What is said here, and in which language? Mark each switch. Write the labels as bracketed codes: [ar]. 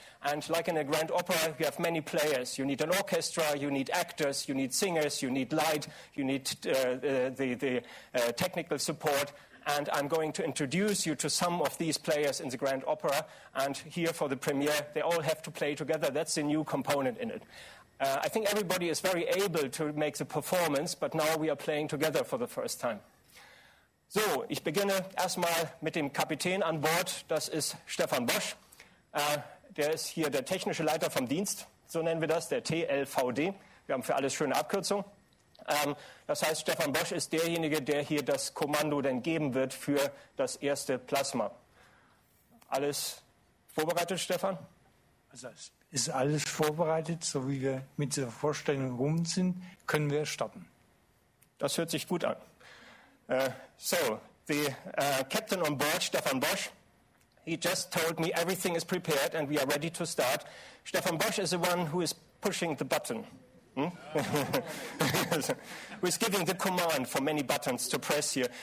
[en] And like in a Grand Opera, you have many players. You need an orchestra, you need actors, you need singers, you need light, you need the technical support. And I'm going to introduce you to some of these players in the Grand Opera. And here for the premiere, they all have to play together. That's a new component in it. I think everybody is very able to make the performance, but now we are playing together for the first time. [de] So, ich beginne erstmal mit dem Kapitän an Bord, das ist Stefan Bosch. Der ist hier der technische Leiter vom Dienst, so nennen wir das, der TLVD. Wir haben für alles schöne Abkürzung. Das heißt, Stefan Bosch ist derjenige, der hier das Kommando denn geben wird für das erste Plasma. Alles vorbereitet, Stefan? Also es ist alles vorbereitet, so wie wir mit dieser Vorstellung rum sind, können wir starten. Das hört sich gut an. So, [en] the captain on board, Stefan Bosch, he just told me everything is prepared and we are ready to start. Stefan Bosch is the one who is pushing the button. Who's giving the command for many buttons to press here.